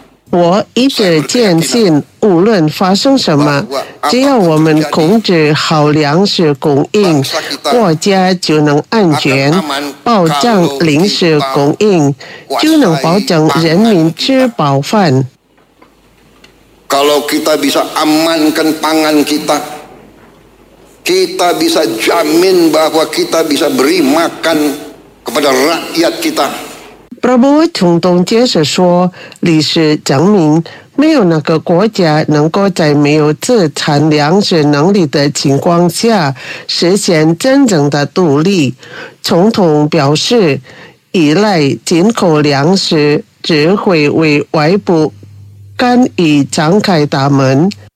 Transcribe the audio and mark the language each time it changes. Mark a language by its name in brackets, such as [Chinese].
[Chinese] 我一直坚信，无论发生什么，只要我们控制好粮食供应，国家就能安全，保障粮食供应，就能保证人民吃饱饭。 [Indonesian] Kalau kita bisa amankan pangan kita，kita bisa jamin bahwa kita bisa beri makan kepada rakyat kita。 [Chinese] Prabowo 从东接着说，历史证明，没有哪个国家能够在没有自产粮食能力的情况下实现真正的独立。总统表示，依赖进口粮食只会为外部干预张开大门。